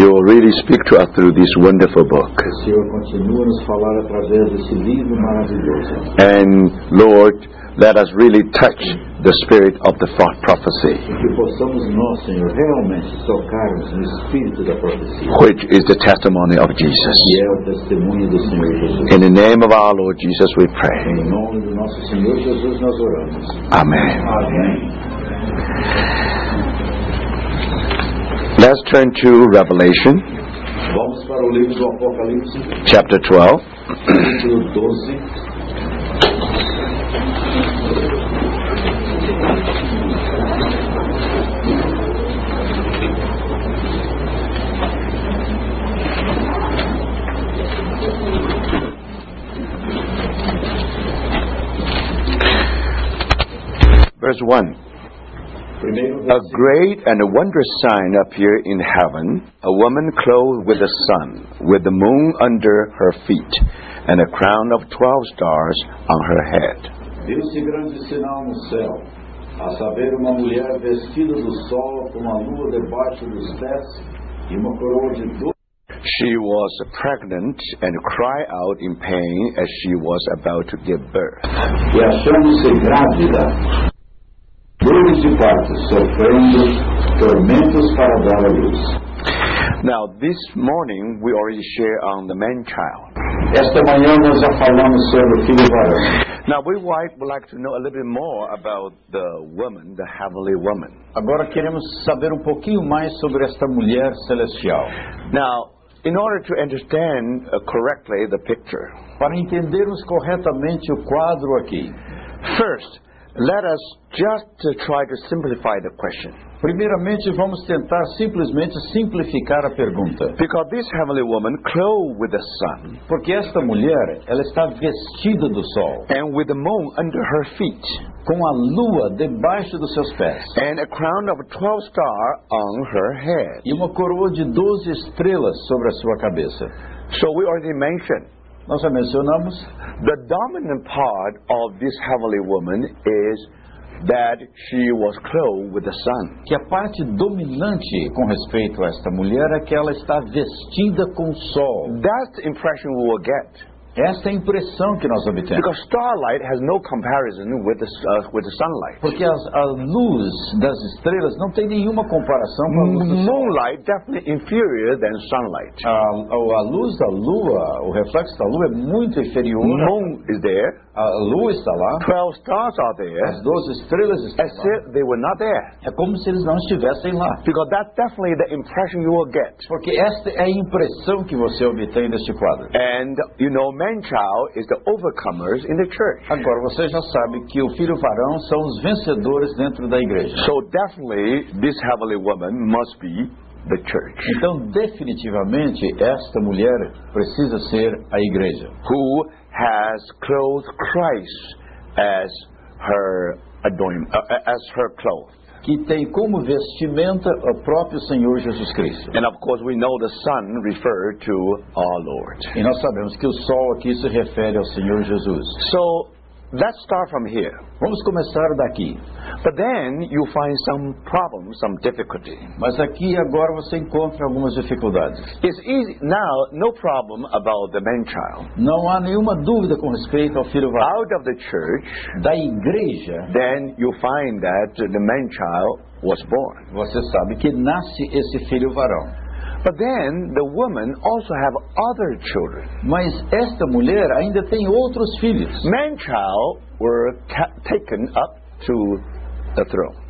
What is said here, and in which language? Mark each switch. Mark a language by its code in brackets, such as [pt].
[en] you will really speak to us through this wonderful book. [pt] O Senhor continue nos falar através desse livro maravilhoso. [en] And Lord, let us really touch the spirit of the prophecy. [pt] Que possamos nós, Senhor, realmente tocarmos no espírito da profecia. [en] Which is the testimony of Jesus. [pt] E é o testemunho do Senhor Jesus. [en] In the name of our Lord Jesus, we pray. [pt] Em nome do nosso Senhor Jesus, nós oramos. [en] Amen. [pt] Amém. [en] Let's turn to Revelation. [pt] Vamos para o livro do Apocalipse. [en] Chapter 12. [pt] Capítulo 12. [en] Verse 1. A great and a wondrous sign appeared in heaven, a woman clothed with the sun, with the moon under her feet, and a crown of 12 stars on her head. [pt] Viu-se grande sinal no céu, a saber, uma mulher vestida do sol com uma lua debaixo dos pés e uma coroa de dor. [en] She was pregnant and cried out in pain as she was about to give birth. [pt] E achando-se grávida, dores de parto, sofrendo tormentos para dar a luz. [en] Now, this morning, we already share on the man-child. [pt] Esta manhã, nós já falamos sobre o filho varão. [en] Now, we would like to know a little bit more about the woman, the heavenly woman. [pt] Agora, queremos saber um pouquinho mais sobre esta mulher celestial. [en] Now, in order to understand correctly the picture, [pt] para entendermos corretamente o quadro aqui, [en] first, let us just to try to simplify the question. [pt] Primeiramente, vamos tentar simplesmente simplificar a pergunta. [en] Because this heavenly woman clothed with the sun. [pt] Porque esta mulher, ela está vestida do sol. [en] And with the moon under her feet. [pt] Com a lua debaixo dos seus pés. [en] And a crown of 12 stars on her head. [pt] E uma coroa de 12 estrelas sobre a sua cabeça. [en] So we already mentioned. [pt] Nós já mencionamos. [en] The dominant part of this heavenly woman is that she was clothed with the sun. [pt] Que a parte dominante com respeito a esta mulher é que ela está vestida com sol. [en] That's the impression we will get. [pt] Essa é a impressão que nós obtemos. [en] Because starlight has no comparison with the sunlight. [pt] Porque a luz das estrelas não tem nenhuma comparação com a luz do sol. [en] Moonlight definitely inferior than sunlight. [pt] A luz da lua, o reflexo da lua é muito inferior. [en] Moon is there. [pt] A lua está lá. [en] 12 stars are there. [pt] As 12 estrelas estão [en] lá. As if they were not there. [pt] É como se eles não estivessem lá. [en] Because that's definitely the impression you will get. [pt] Porque esta é a impressão que você obtém neste quadro. [en] And you know, man-child is the overcomers in the church. [pt] Agora você já sabe que o filho varão são os vencedores dentro da igreja. [en] So definitely this heavenly woman must be the church. [pt] Então definitivamente esta mulher precisa ser a igreja. [en] Who has clothed Christ as her adornment, as her cloth. [pt] Que tem como vestimenta o próprio Senhor Jesus Cristo. [en] And of course we know the sun referred to our Lord. [pt] E nós sabemos que o sol aqui se refere ao Senhor Jesus. [en] So let's start from here. [pt] Vamos começar daqui. [en] But then you find some problems, some difficulty. [pt] Mas aqui agora você encontra algumas dificuldades. [en] It's easy now, no problem about the man child. [pt] Não há nenhuma dúvida com respeito ao filho varão. [en] Out of the church, [pt] da igreja, [en] then you find that the man child was born. [pt] Você sabe que nasce esse filho varão. [en] But then the woman also have other children. [pt] Mas esta mulher ainda tem outros filhos. [en] Man child were taken up to the throne.